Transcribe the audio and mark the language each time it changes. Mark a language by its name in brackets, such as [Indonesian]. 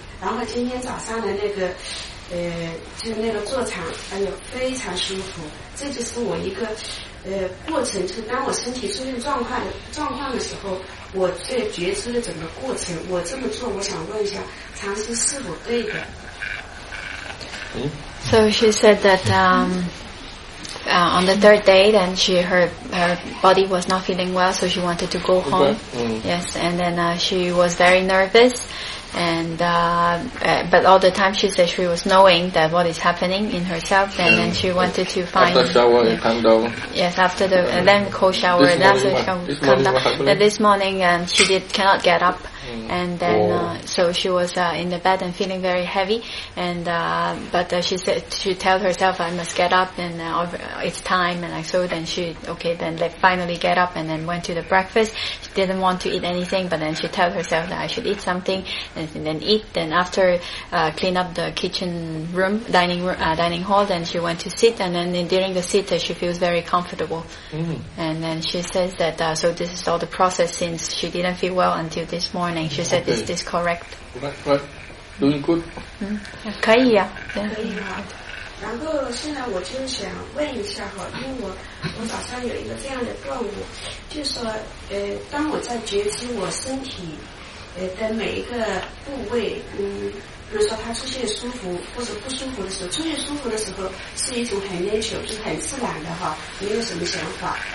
[Chinese] 然后今天早上的那个就是那个坐禅，哎呦，非常舒服。这就是我一个过程，就是当我身体出现状况的时候，我在觉知的整个过程，我这么做，我想问一下禅师是否对的？嗯。 [English] So she said that on the third day, then she her body was not feeling well, so she wanted to go home. Yes, and then she was very nervous, and but all the time she said she was knowing that what is happening in herself, and then she wanted to find after shower and calm down. Yes, after the and then cold shower, this and after calm down. Then this morning, and she cannot get up. And then, so she was in the bed and feeling very heavy. And but she said she told herself, "I must get up, and it's time." And like, so, then she finally get up and then went to the breakfast. She didn't want to eat anything, but then she told herself that I should eat something and then eat. Then after clean up the kitchen room, dining hall, then she went to sit. And then during the sit, she feels very comfortable. Mm-hmm. And then she says that so this is all the process since she didn't feel well until this morning. And she said, "Is this correct?" Right. Doing good. [Chinese] 嗯，可以呀。可以哈。然后现在我就想问一下哈，因为我早上有一个这样的顿悟，就是说，当我在觉知我身体，的每一个部位，比如说它出现舒服或者不舒服的时候，出现舒服的时候是一种很natural，就是很自然的哈，没有什么想法。